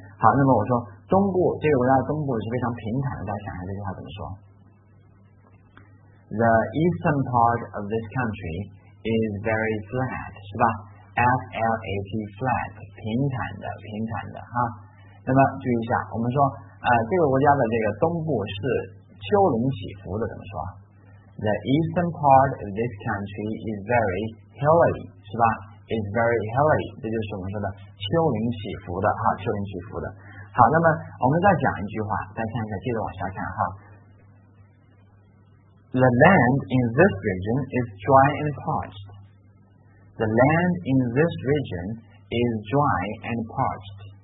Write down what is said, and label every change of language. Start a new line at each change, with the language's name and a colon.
Chinese: 好，那么我说中部这个国家的东部是非常平坦的，大家想一下这句话怎么说，
English: The eastern part of this country is very flat
Chinese: 是吧， F-L-A-T flat 平坦的，平坦的哈。那么注意一下我们说这个国家的这个东部是丘陵起伏的，怎么说？
English: The eastern part of this country is very hilly， 是吧？ Is very hilly，
Chinese: 这就是我们说的丘陵起伏的哈，丘陵起伏的。好，那么我们再讲一句话，大家看一下，接着往下看哈。
English: The land in this region is dry and parched. The land in this region is dry and parched.